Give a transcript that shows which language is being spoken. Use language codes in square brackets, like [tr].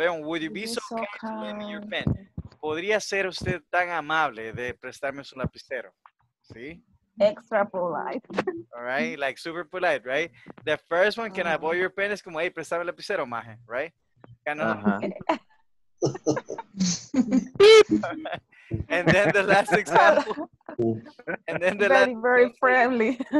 [en] And would you be so kind to lend me your pen? [es] ¿Podría ser usted tan amable de prestarme su lapicero? ¿Sí? [en] Extra polite. All right, like super polite, right? The first one, can I borrow your pen? [es] Es como, hey, préstame el lapicero, maje, [en] right? Kind of. [es] Uh-huh. [en] And then the last example. And then the very, last very example, friendly.